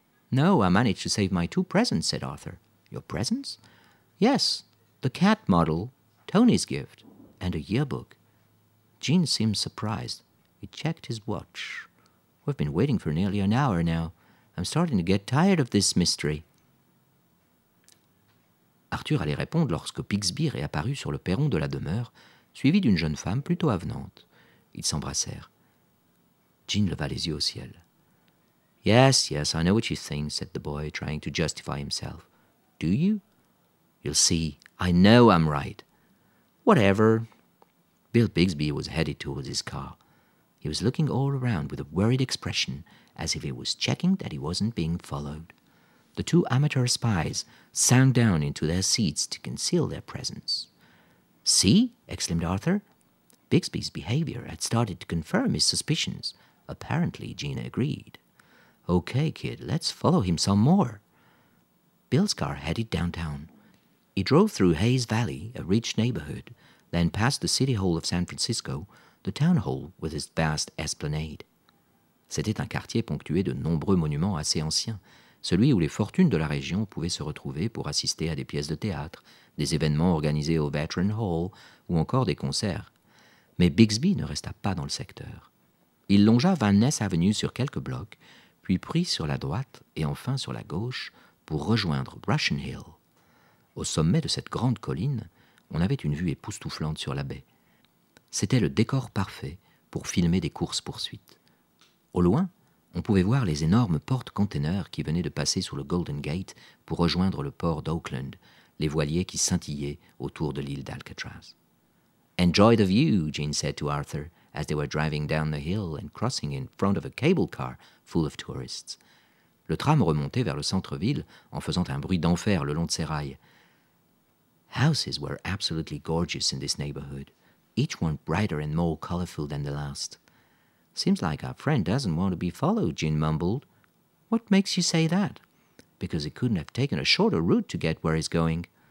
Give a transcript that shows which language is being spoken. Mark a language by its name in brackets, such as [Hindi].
[English] No, I managed to save my two presents, said Arthur. Your presents? Yes, the cat model, Tony's gift, and a yearbook. Jean seemed surprised. He checked his watch. We've been waiting for nearly an hour now. I'm starting to get tired of this mystery. [French] Arthur allait répondre lorsque Bixby réapparut sur le perron de la demeure, suivi d'une jeune femme plutôt avenante. Ils s'embrassèrent. Jean leva les yeux au ciel. [English] Yes, yes, I know what you think, said the boy, trying to justify himself. Do you? You'll see. I know I'm right. Whatever. Bill Bixby was headed towards his car. He was looking all around with a worried expression, as if he was checking that he wasn't being followed. The two amateur spies sank down into their seats to conceal their presence. See? Exclaimed Arthur. Bixby's behavior had started to confirm his suspicions. Apparently, Gina agreed. Okay, kid, let's follow him some more. Bill's car headed downtown. He drove through Hayes Valley, a rich neighborhood, then past the city hall of San Francisco, the town hall with its vast esplanade. [French] C'était un quartier ponctué de nombreux monuments assez anciens, celui où les fortunes de la région pouvaient se retrouver pour assister à des pièces de théâtre, des événements organisés au Veteran Hall ou encore des concerts. Mais Bixby ne resta pas dans le secteur. Il longea Van Ness Avenue sur quelques blocs, puis prit sur la droite et enfin sur la gauche, pour rejoindre Russian Hill. Au sommet de cette grande colline, on avait une vue époustouflante sur la baie. C'était le décor parfait pour filmer des courses-poursuites. Au loin, on pouvait voir les énormes portes-containers qui venaient de passer sous le Golden Gate pour rejoindre le port d'Oakland, les voiliers qui scintillaient autour de l'île d'Alcatraz. [English] Enjoy the view, Jean said to Arthur, as they were driving down the hill and crossing in front of a cable car full of tourists. [French] Le tram remontait vers le centre-ville en faisant un bruit d'enfer le long de ses rails. [English] Houses were absolutely gorgeous in this neighborhood, each one brighter and more colorful than the last. Seems like our friend doesn't want to be followed, Jean mumbled. What makes you say that? Because he couldn't have taken a shorter route to get where he's going.